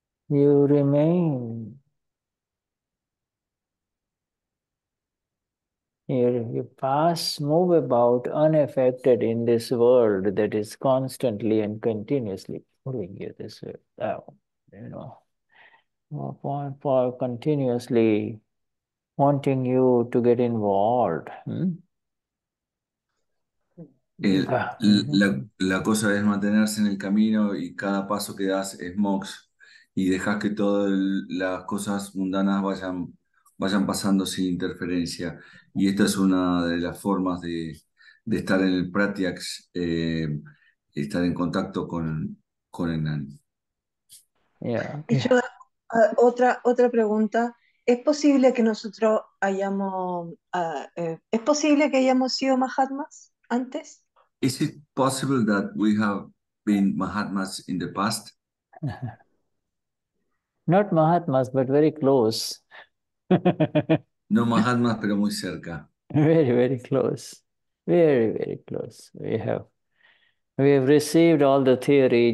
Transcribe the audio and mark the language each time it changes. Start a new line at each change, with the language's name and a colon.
English: You remain here, you pass, move about unaffected in this world that is constantly and continuously pulling you this way, for continuously wanting you to get involved.
Spanish: La cosa es mantenerse en el camino y cada paso que das es moksha. Y dejas que todas las cosas mundanas vayan pasando sin interferencia. Y esta es una de las formas de estar en el pratyaksh, estar en contacto con el Nani. Y yo, otra pregunta. ¿Es posible que nosotros hayamos, es posible que hayamos sido mahatmas antes?
English: Is it possible that we have been mahatmas in the past? Not mahatmas, but very close.
Spanish: No mahatmas, pero muy cerca.
English: Very, very close. Very, very close. We have received all the theory.